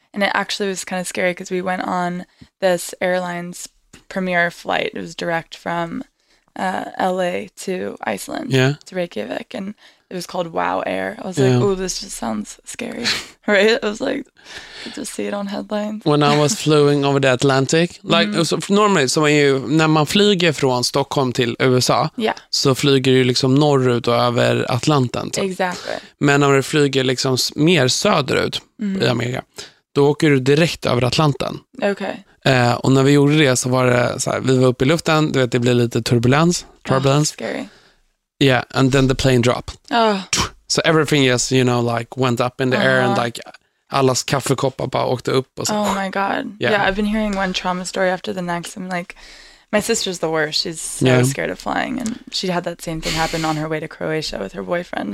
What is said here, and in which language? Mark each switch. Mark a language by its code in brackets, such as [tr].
[en] And it actually was kind of scary because we went on this airline's premier flight. It was direct from LA to Iceland, to Reykjavik. And it was called Wow Air. I was like, oh, this just sounds scary. Right? I was like, I just see it on headlines. When I was flying over the Atlantic, like, so normally, so when you, [sv] när man flyger från Stockholm till USA, så flyger du liksom norrut och över Atlanten. Så. [en] Exactly. [sv] Men om du flyger liksom mer söderut i Amerika, då åker du direkt över Atlanten. [en] Okay. [sv] Och när vi gjorde det så var det så här, vi var uppe i luften, du vet, det blev lite turbulens. [en] Scary. Yeah, and then the plane drop. Oh. So everything just, you know, like went up in the air and like [sv] allas kaffekoppar bara åkte upp. Och så. [en] Oh my god. Yeah. Yeah, I've been hearing one trauma story after the next. I'm like, my sister's the worst. She's so scared of flying. And she had that same thing happen on her way to Croatia with her boyfriend.